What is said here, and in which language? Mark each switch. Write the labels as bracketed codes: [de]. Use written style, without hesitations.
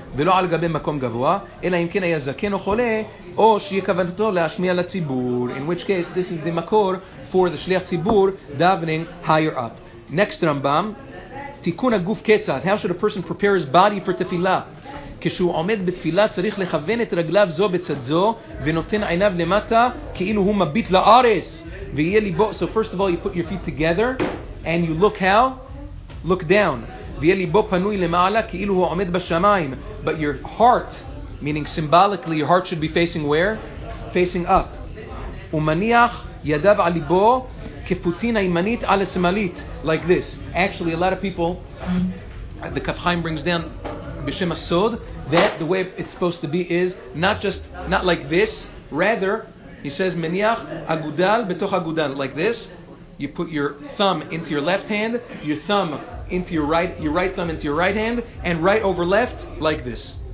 [he] ולא על גבי מקום גבוה, אלא אם כן היה זקן או חולה, או שיהיה כוונתו להשמיע לציבור. [en] In which case, this is the makor for the שליח ציבור davening higher up. [he] Next Rambam, תיקון הגוף כיצד. [en] How should a person prepare his body for tefila? [he] כשהוא עומד בתפילה צריך לכוון את רגליו זו בצד זו ונותן עיניו למטה כאילו הוא מביט לארץ ויהיה ליבו. [en] So first of all, you put your feet together and you look how? Look down. [he] ויהיה ליבו פנוי למעלה כאילו הוא עומד בשמיים. [en] But your heart, meaning symbolically, your heart should be facing where? Facing up. [he] ומניח ידיו על ליבו כפוטין הימנית על השמאלית. [en] Like this. Actually, a lot of people, the Kaf Chaim brings down Bishem Asod, that the way it's supposed to be is not like this, rather, he says, Meniach Agudal Betoch Agudal, like this. You put your thumb into your left hand, your thumb into your right thumb into your right hand, and right over left, like this.